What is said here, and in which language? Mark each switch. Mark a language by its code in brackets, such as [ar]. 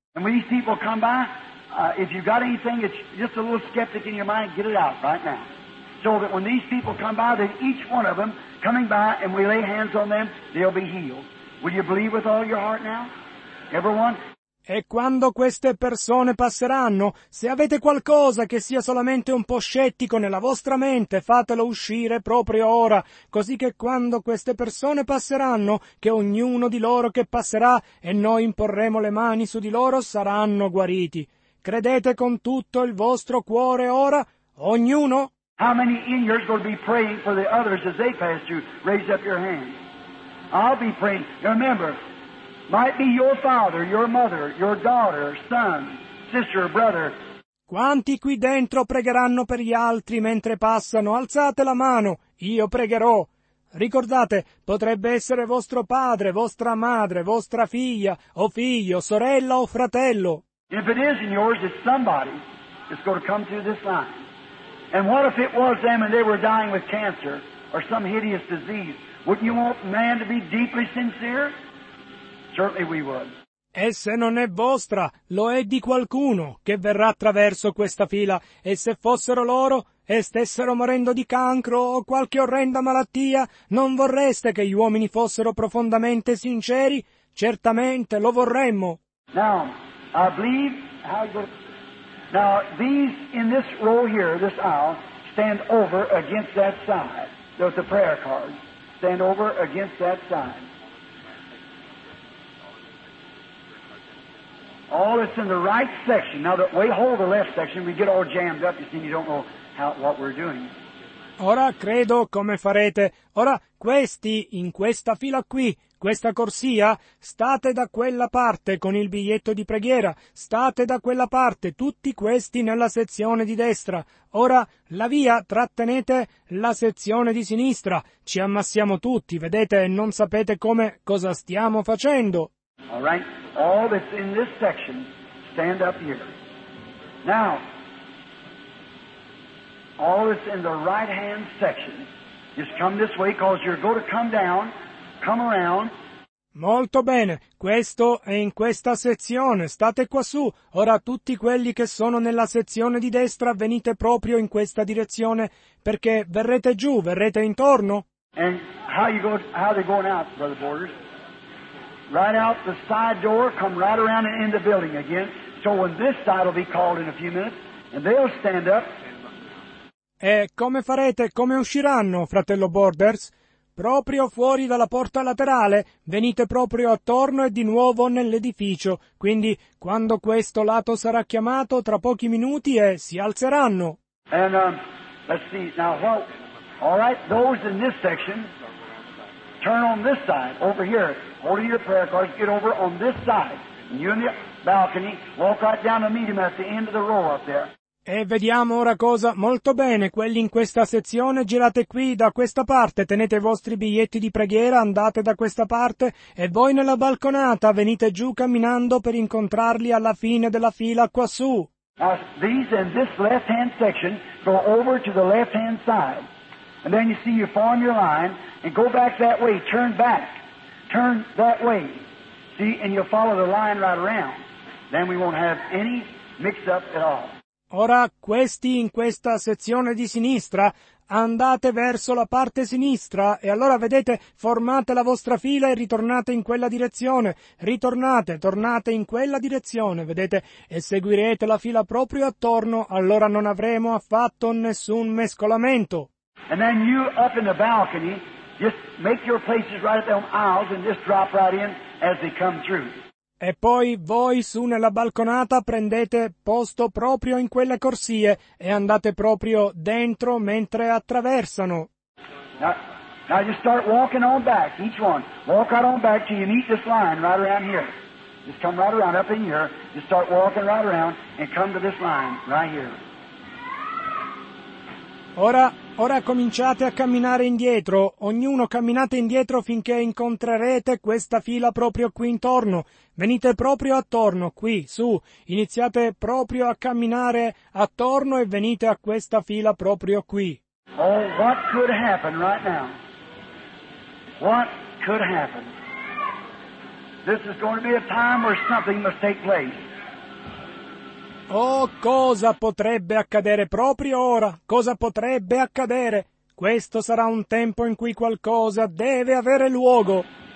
[en] And when these people come by, if you've got anything that's just a little skeptic in your mind, get it out right now. So that when these people come by, then each one of them coming by and we lay hands on them, they'll be healed. Will you believe with all your heart now? Everyone? [it] E quando queste persone passeranno, se avete qualcosa che sia solamente un po' scettico nella vostra mente, fatelo uscire proprio ora, così che quando queste persone passeranno, che ognuno di loro che passerà e noi imporremo le mani su di loro saranno guariti. Credete con tutto il vostro cuore ora, ognuno? [en] How many in yours will be praying for the others as they pass you? Raise up your hand. I'll be praying. Remember, might be your father, your mother, your daughter, son, sister, brother. [it] Quanti qui dentro pregheranno per gli altri mentre passano? Alzate la mano, io pregherò. Ricordate, potrebbe essere vostro padre, vostra madre, vostra figlia, o figlio, sorella o fratello. [en] If it isn't yours, it's somebody that's going to come through this line. And what if it was them and they were dying with cancer or some hideous disease? Wouldn't you want man to be deeply sincere? [it] E se non è vostra, lo è di qualcuno che verrà attraverso questa fila. E se fossero loro e stessero morendo di cancro o qualche orrenda malattia, non vorreste che gli uomini fossero profondamente sinceri? Certamente lo vorremmo. [en] Now, I believe how you... Now, these in this row here, this aisle, stand over against that side. There's the prayer card. Stand over against that side. All that's in the right section. Now, that we hold the left section, we get all jammed up, you see, and you don't know what we're doing. [it] Ora, credo come farete. Ora, questi, in questa fila qui, questa corsia, state da quella parte con il biglietto di preghiera. State da quella parte, tutti questi nella sezione di destra. Ora, la via, trattenete la sezione di sinistra. Ci ammassiamo tutti, vedete, e non sapete come, cosa stiamo facendo. [en] All right, all that's in this section, stand up here. Now, all that's in the right hand section. Just come this way, cause you're going to come down, come around. [it] Molto bene, questo è in questa sezione, state quassù. Ora tutti quelli che sono nella sezione di destra, venite proprio in questa direzione, perché verrete giù, verrete intorno. [en] And how they going out, Brother Borders? Right out the side door, come right around and in the building again. So when this side will be called in a few minutes, and they'll stand up. [it] E come farete? Come usciranno, fratello Borders? Proprio fuori dalla porta laterale, venite proprio attorno e di nuovo nell'edificio. Quindi, quando questo lato sarà chiamato, tra pochi minuti e si alzeranno. [en] And, let's see, now, well, all right, those in this section, turn on this side, over here, hold your prayer cards, get over on this side, and you in the balcony, walk right down to meet him at the end of the row up there. [it] E vediamo ora cosa. Molto bene, quelli in questa sezione, girate qui, da questa parte, tenete i vostri biglietti di preghiera, andate da questa parte, e voi nella balconata, venite giù camminando per incontrarli alla fine della fila quassù. [en] Now, these in this left-hand section go over to the left-hand side. And then you see you form your line, and go back that way, turn back. Turn that way. See, and you'll follow the line right around. Then we won't have any mix-up at all. [it] Ora, questi in questa sezione di sinistra, andate verso la parte sinistra e allora vedete, formate la vostra fila e ritornate in quella direzione. Ritornate, tornate in quella direzione, vedete, e seguirete la fila proprio attorno, allora non avremo affatto nessun mescolamento. [en] And then you up in the balcony, just make your places right at the aisles and just drop right in as they come through. [it] E poi voi su nella balconata prendete posto proprio in quelle corsie e andate proprio dentro mentre attraversano. [en] Now just start walking on back, each one. Walk right on back till you meet this line right around here. Just come right around up in here. Just start walking right around and come to this line right here. [it] Ora cominciate a camminare indietro, ognuno camminate indietro finché incontrerete questa fila proprio qui intorno. Venite proprio attorno, qui, su, iniziate proprio a camminare attorno e venite a questa fila proprio qui. [en] Oh, what could happen right now? What could happen? This is going to be a time where something must take place. [it] Oh, cosa potrebbe accadere proprio ora? Cosa potrebbe accadere? Questo sarà un tempo in cui qualcosa deve avere luogo.